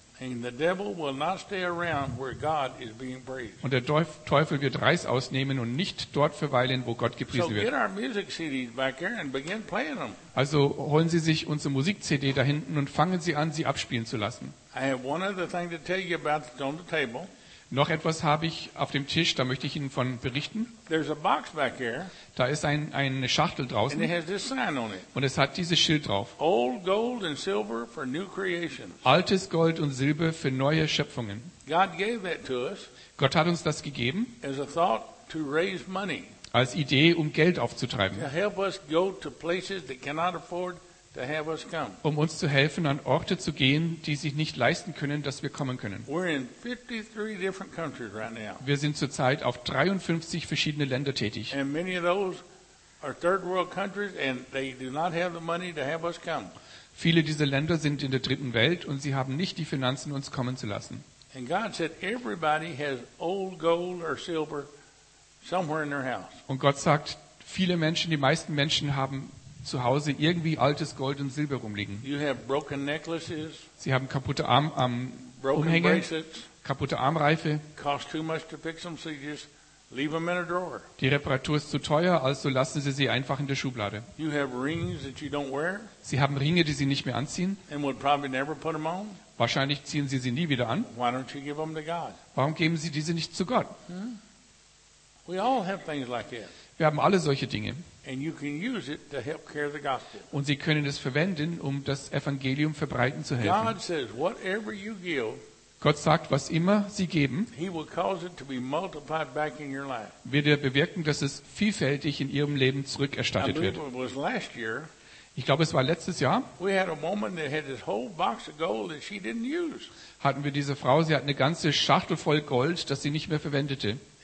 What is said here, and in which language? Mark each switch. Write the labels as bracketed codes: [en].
[en] And the devil will not stay around where God is being praised. [de] Und der Teufel wird Reis ausnehmen und nicht dort verweilen, wo Gott gepriesen wird. [en] So get our music CDs back here and begin playing them. [de] Also holen Sie sich unsere Musik-CD da hinten und fangen Sie an, sie abspielen zu lassen. [en] I have one other thing to tell you about that's on the table. [de] Noch etwas habe ich auf dem Tisch, da möchte ich Ihnen von berichten. [en] There's a box back here. [de] Da ist eine Schachtel draußen. [en] And it has this sign on it. [de] Und es hat dieses Schild drauf. [en] Old gold and silver for new creations. [de] Altes Gold und Silber für neue Schöpfungen. [en] God gave that to us. [de] Gott hat uns das gegeben. [en] As a thought to raise money. [de] Als Idee, um Geld aufzutreiben. [en] To help us go to places that cannot afford to have us come. [de] Um uns zu helfen, an Orte zu gehen, die sich nicht leisten können, dass wir kommen können. [en] We're in 53 different countries right now. [de] Wir sind zurzeit auf 53 verschiedene Länder tätig. [en] And many of those are third world countries and they do not have the money to have us come. [de] Viele dieser Länder sind in der dritten Welt und sie haben nicht die Finanzen, uns kommen zu lassen. [en] And God said everybody has old gold or silver somewhere in their house. [de] Und Gott sagt, viele Menschen, die meisten Menschen haben zu Hause irgendwie altes Gold und Silber rumliegen. [en] You have broken necklaces, [de] sie haben kaputte Umhänge, kaputte Armreife. [en] Cost too much to fix them, so you just leave them in a drawer. [de] Die Reparatur ist zu teuer, also lassen Sie sie einfach in der Schublade. [en] You have rings that you don't wear, [de] sie haben Ringe, die Sie nicht mehr anziehen. [en] And would probably never put them on. [de] Wahrscheinlich ziehen Sie sie nie wieder an. [en] Why don't you give them to God? [de] Warum geben Sie diese nicht zu Gott? [en] Hmm? We all have things like that. [de] Wir haben alle solche Dinge. [en] And you can use it to help carry the gospel. [de] Und sie können es verwenden, um das Evangelium verbreiten zu helfen. [en] God says, whatever you give, [de] Gott sagt, was immer sie geben, [en] he will cause it to be multiplied back in your life. [de] Wird er bewirken, dass es vielfältig in ihrem Leben zurückerstattet wird. [en] It was last year, [de] ich glaube, es war letztes Jahr. [en] We had a woman that had this whole box of gold that she didn't use. [de] Hatten wir diese Frau, sie hat eine ganze Schachtel voll Gold, das sie nicht mehr verwendete.